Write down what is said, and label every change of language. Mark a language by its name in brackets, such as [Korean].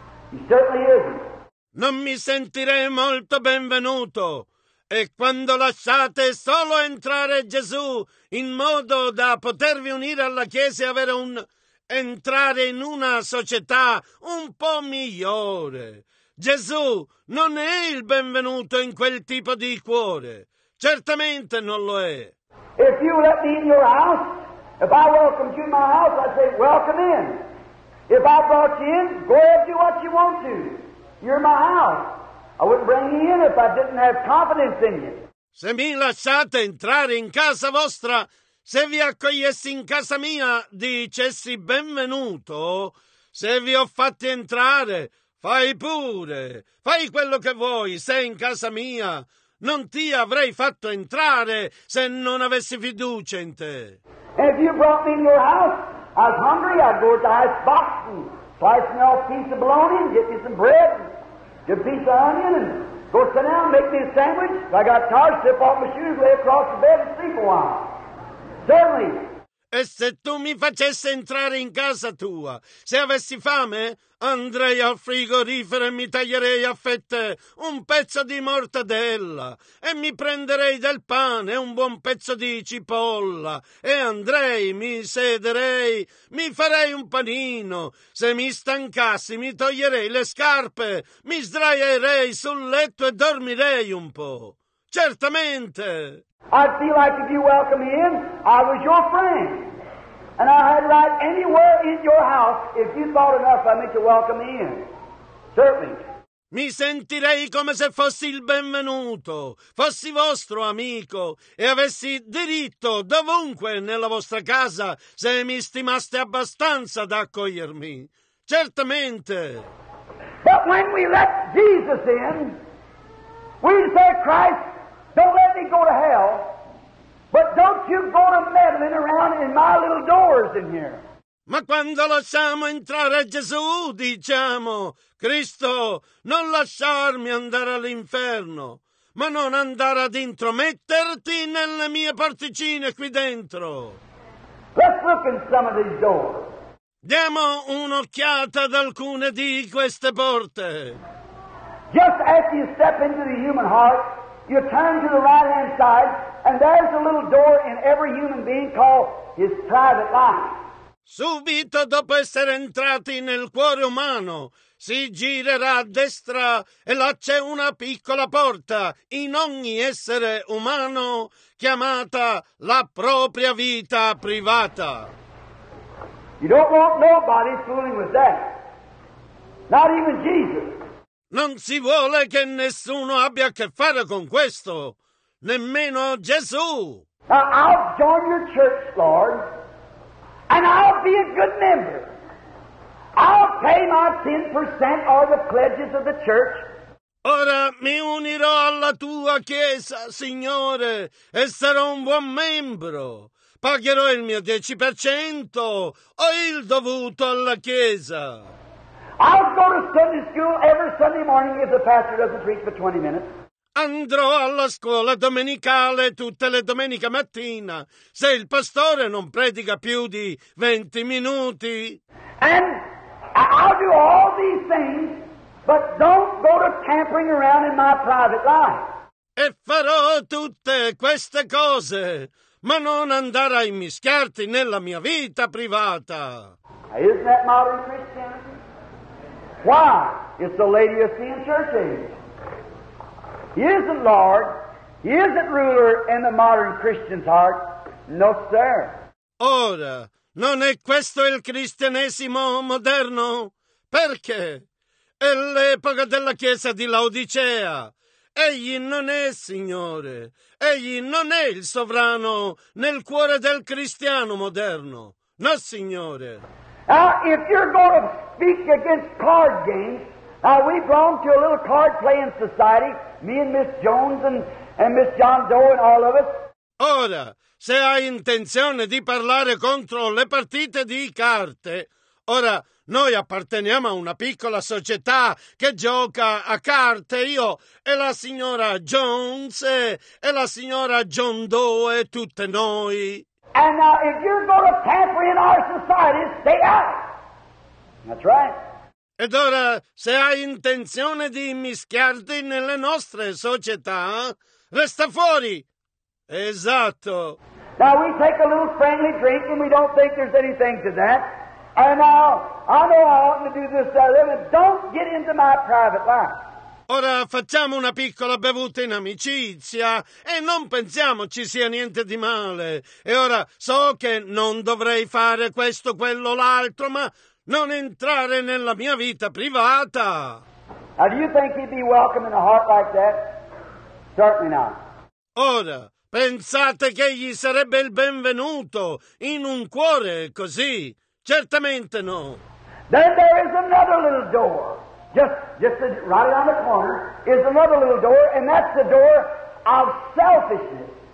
[English] He certainly isn't. [Italian] Non mi sentirei molto benvenuto. E quando lasciate solo entrare Gesù in modo da potervi unire alla Chiesa e avere un entrare in una società un po' migliore. Gesù non è il benvenuto in quel tipo di cuore. Certamente non lo è. [English] If you let me in your house, if I welcomed you in my house, I'd say, welcome in. If I brought you in, go ahead, do what you want to. You're my house. I wouldn't bring you in if I didn't have confidence in you. [Italian] Se mi lasciate entrare in casa vostra, se vi accogliessi in casa mia, dicessi benvenuto. Se vi ho fatti entrare, fai pure. Fai quello che vuoi, sei in casa mia. Non ti avrei fatto entrare se non avessi fiducia in te. [English] If you brought me in your house, I was hungry, I'd go to the ice box and slice me off a piece of bologna and get me some bread. Get a piece of onion and go sit down, make me a sandwich. If I got tired, slip off my shoes, lay across the bed and sleep a while. Certainly. [Italian] E se tu mi facessi entrare in casa tua, se avessi fame, andrei al frigorifero e mi taglierei a fette un pezzo di mortadella e mi prenderei del pane e un buon pezzo di cipolla e andrei, mi sederei, mi farei un panino. Se mi stancassi, mi toglierei le scarpe, mi sdraierei sul letto e dormirei un po'. Certamente! [English] I feel like if you welcome me in, I was your friend. And I had right anywhere in your house if you thought enough I meant to welcome me in. Certainly. [Italian] Mi sentirei come se fossi il benvenuto, fossi vostro amico e avessi diritto dovunque nella vostra casa se mi stimaste abbastanza da accogliermi. Certamente. [English] But when we let Jesus in, we say, Christ, don't let me go to hell, but don't you go to meddling around in my little doors in here. [Italian] Ma quando lasciamo entrare Gesù, diciamo, Cristo, non lasciarmi andare all'inferno, ma non andare ad intrometterti nelle mie porticine qui dentro. [English] Let's look in some of these doors. [Italian] Diamo un'occhiata ad alcune di queste porte. [English] Just as you step into the human heart, you turn to the right-hand side, and there's a little door in every human being called his private life. [Italian] Subito dopo essere entrati nel cuore umano, si girerà a destra e là c'è una piccola porta in ogni essere umano chiamata la propria vita privata. [English] You don't want nobody fooling with that. Not even Jesus. [Italian] Non si vuole che nessuno abbia a che fare con questo, nemmeno Gesù. [English] Now I'll join your church, Lord, and I'll be a good member. I'll pay my 10% or the pledges of the church. [Italian] Ora mi unirò alla tua chiesa, Signore, e sarò un buon membro. Pagherò il mio 10% o il dovuto alla chiesa. [English] I'll go to Sunday school every Sunday morning if the pastor doesn't preach for 20 minutes. [Italian] Andrò alla scuola domenicale tutte le domeniche mattina se il pastore non predica più di 20 minuti. [English] And I'll do all these things, but don't go to tampering around in my private life. [Italian] E farò tutte queste cose, ma non andare a immischiarti nella mia vita privata. [English] Isn't that modern Christianity? Why? It's the lady of sin church age. He isn't Lord. He isn't ruler in the modern Christian's heart. No, sir. [Italian] Ora, non è questo il cristianesimo moderno? Perché? È l'epoca della chiesa di Laodicea. Egli non è signore. Egli non è il sovrano nel cuore del cristiano moderno. No, signore. [English] Now, if you're going to speak against card games, Now, we belong to a little card-playing society, me and Miss Jones and Miss John Doe and all of us. [Italian] Ora, se hai intenzione di parlare contro le partite di carte, ora, noi apparteniamo a una piccola società che gioca a carte, io e la signora Jones e la signora John Doe e tutte noi. [English] And now, if you're going to tamper in our society, stay out. That's right. [Italian] Ed ora, se hai intenzione di mischiarti nelle nostre società, resta fuori. Esatto. [English] Now, we take a little friendly drink and we don't think there's anything to that. And now, I know I oughtn't to do this, but don't get into my private life. [Italian] Ora facciamo una piccola bevuta in amicizia e non pensiamo ci sia niente di male. E ora so che non dovrei fare questo, quello, l'altro, ma non entrare nella mia vita privata. [English] Now, do you think he'd be welcome in a heart like that? Certainly not. [Italian] Ora, pensate che egli sarebbe il benvenuto in un cuore così? Certamente no. [English] Then there is another little door. Just right around the corner is another little door, and that's the door of selfishness.